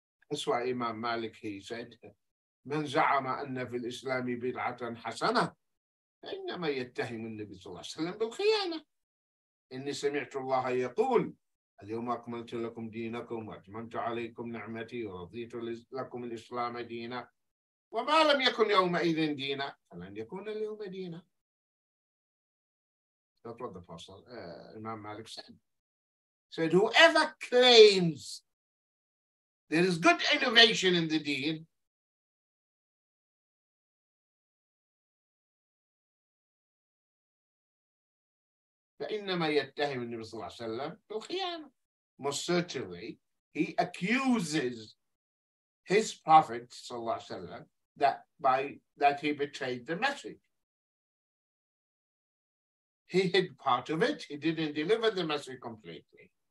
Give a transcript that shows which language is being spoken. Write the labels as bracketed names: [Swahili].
[English] That's why Imam Malik, he said, [Arabic] "من زعم أن في الإسلام بدعة حسنة إنما يتهم النبي صلى الله عليه وسلم بالخيانة." إني سمعت الله يقول اليوم أكملت لكم دينكم وأتممت عليكم نعمتي ورضيت لكم الإسلام دينا وما لم يكن يومئذ دينا فلن يكون اليوم دينا. [English] That's what the Apostle Imam Malik said. Whoever claims there is good innovation in the deen, [Arabic] فإنما يتهم النبي صلى الله عليه وسلم بالخيانة. [English] Most certainly, he accuses his prophet صلى الله عليه وسلم that he betrayed the message. He hid part of it. He didn't deliver the message completely.